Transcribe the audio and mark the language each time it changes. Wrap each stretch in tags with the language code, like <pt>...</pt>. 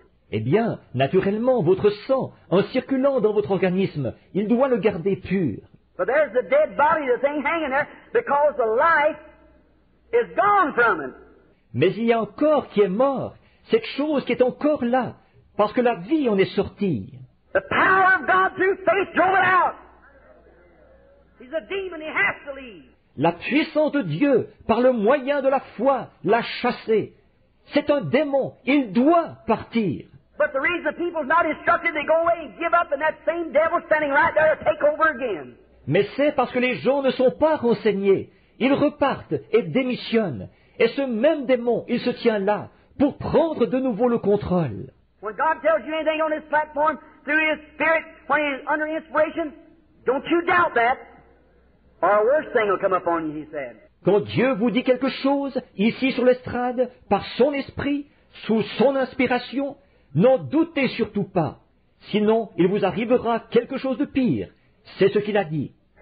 <fr>Eh bien, naturellement, votre sang, en circulant dans votre organisme, il doit le garder pur.</fr> <en>But there's a dead body that ain't hanging there because the life is gone from it.</en> <fr>Mais il y a un corps qui est mort, cette chose qui est encore là, parce que la vie en est sortie.</fr> <en>The power of God through faith drove it out. He's a demon, he has to leave.</en> <fr>La puissance de Dieu, par le moyen de la foi, l'a chassé. C'est un démon, il doit partir.</fr> <en>But the reason people's not instructed, they go away and give up, and that same devil standing right there to take over again.</en> <fr>Mais c'est parce que les gens ne sont pas renseignés. Ils repartent et démissionnent. Et ce même démon, il se tient là pour prendre de nouveau le contrôle.</fr> <en>When God tells you anything on his platform through his spirit, when he's under inspiration, don't you doubt that. Or a worse thing will come upon you, he said.</en> <fr>Quand Dieu vous dit quelque chose, ici sur l'estrade, par son esprit, sous son inspiration, n'en doutez surtout pas. Sinon, il vous arrivera quelque chose de pire. C'est ce qu'il a dit.</fr>